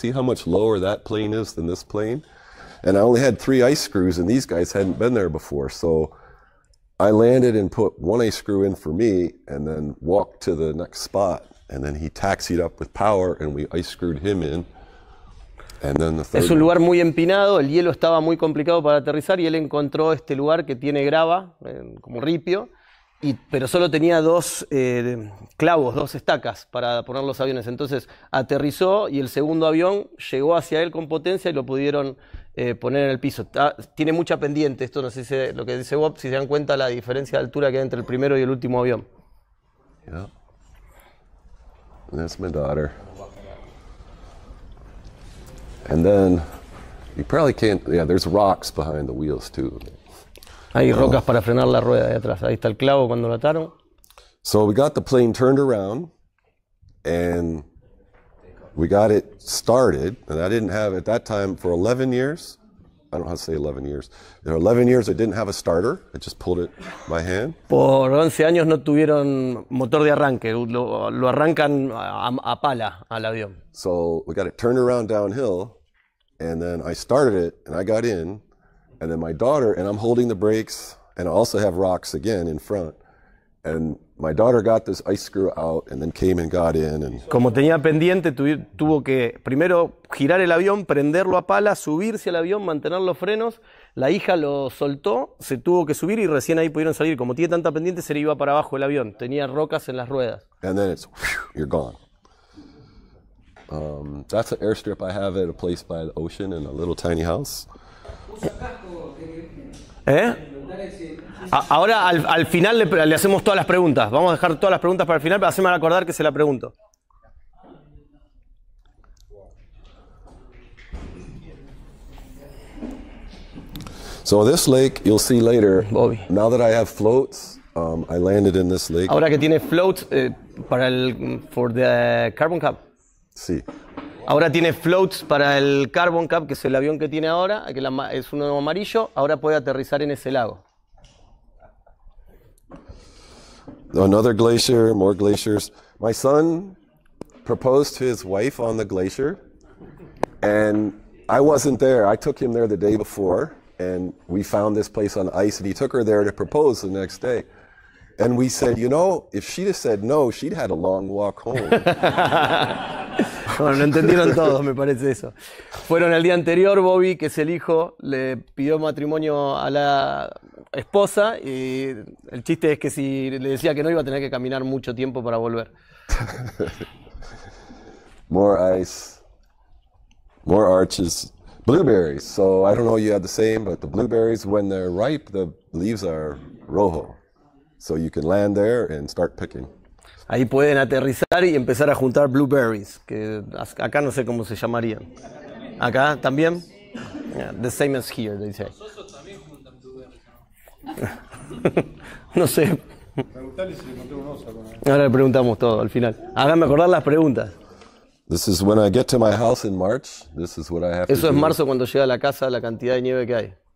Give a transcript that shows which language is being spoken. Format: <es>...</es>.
<en>See how much lower that plane is than this plane? And I only had 3 ice screws and these guys hadn't been there before. So I landed and put 1 ice screw in for me and then walked to the next spot. And then he taxied up with power and we ice screwed him in. And then the third</en> <es>es un lugar muy empinado, el hielo estaba muy complicado para aterrizar y él encontró este lugar que tiene grava, como ripio, y, pero solo tenía 2 clavos, 2 estacas para poner los aviones. Entonces aterrizó y el segundo avión llegó hacia él con potencia y lo pudieron poner en el piso. Tiene mucha pendiente, esto no sé si lo que dice Bob, si se dan cuenta la diferencia de altura que hay entre el primero y el último avión.</es> <en>Yeah. That's my daughter. And then, you probably can't, yeah, there's rocks behind the wheels too.</en> <es>Hay rocas para frenar la rueda de atrás. Ahí está el clavo cuando lo ataron.</es> <en>So we got the plane turned around, and we got it started, and I didn't have, at that time, for 11 years, I don't know how to say 11 years, there were 11 years I didn't have a starter, I just pulled it by hand.</en> <es>Por 11 años no tuvieron motor de arranque, lo arrancan a pala al avión.</es> <en>So we got it turned around downhill, and then I started it, and I got in, and then my daughter, and I'm holding the brakes, and I also have rocks again in front, and my daughter got this ice screw out, and then came and got in. And</en> <es>como tenía pendiente, tuvo que primero girar el avión, prenderlo a pala, subirse al avión, mantener los frenos. La hija lo soltó, se tuvo que subir y recién ahí pudieron salir. Como tiene tanta pendiente, se le iba para abajo el avión. Tenía rocas en las ruedas.</es> <en>And then it's, whew, you're gone. That's an airstrip I have at a place by the ocean in a little tiny house. ¿Eh?</en> <es>Ahora al final le hacemos todas las preguntas. Vamos a dejar todas las preguntas para el final, pero haceme acordar que se la pregunto.</es> <en>So this lake, you'll see later. Bobby. Now that I have floats, I landed in this lake.</en> <es>Ahora que tiene floats para el</es> <en>for the carbon cap.</en> <es>Sí. Ahora tiene floats para el Carbon Cap, que es el avión que tiene ahora, que es uno amarillo. Ahora puede aterrizar en ese lago.</es> <en>Another glacier, more glaciers. My son proposed to his wife on the glacier, and I wasn't there. I took him there the day before, and we found this place on ice, and he took her there to propose the next day. And we said, you know, if she'd have said no, she'd had a long walk home.</en> <es>Bueno, no entendieron todos, me parece eso. Fueron el día anterior, Bobby, que es el hijo, le pidió matrimonio a la esposa y el chiste es que si le decía que no, iba a tener que caminar mucho tiempo para volver.</es> <en>More ice, more arches, blueberries. So I don't know if you had the same, but the blueberries, when they're ripe, the leaves are rojo. So you can land there and start picking.</en> <es>Ahí pueden aterrizar y empezar a juntar blueberries, que acá no sé cómo se llamarían. ¿Acá también?</es> <en>Yeah, the same as here, they say.</en> <es>Los osos también juntan blueberries, ¿no? No sé. Preguntale si encontré un oso. Ahora le preguntamos todo al final. Háganme acordar las preguntas.</es> <en>This is when I get to my house in March. This is what I have.</en> <es>Eso es marzo cuando llega a la casa, la cantidad de nieve que hay.</es>